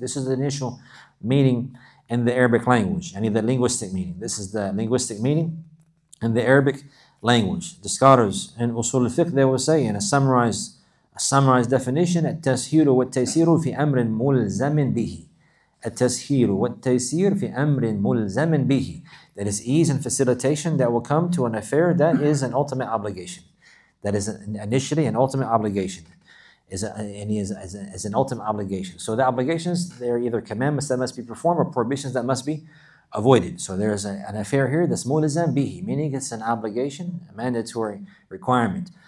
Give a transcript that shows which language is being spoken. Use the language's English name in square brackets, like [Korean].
[English] This is the initial meaning in the Arabic language, I mean the linguistic meaning. This is the linguistic meaning in the Arabic language. The scholars in usul al-fiqh, they will say in a summarized definition, [Arabic] التسهيل والتيسير في أمر ملزم به. التسهيل والتيسير في أمر ملزم به. [English] That is ease and facilitation that will come to an affair that is an ultimate obligation. That is initially an ultimate obligation. Is an ultimate obligation. So the obligations, they are either commandments that must be performed or prohibitions that must be avoided. So there is an affair here that's mulizam bihi, meaning it's an obligation, a mandatory requirement.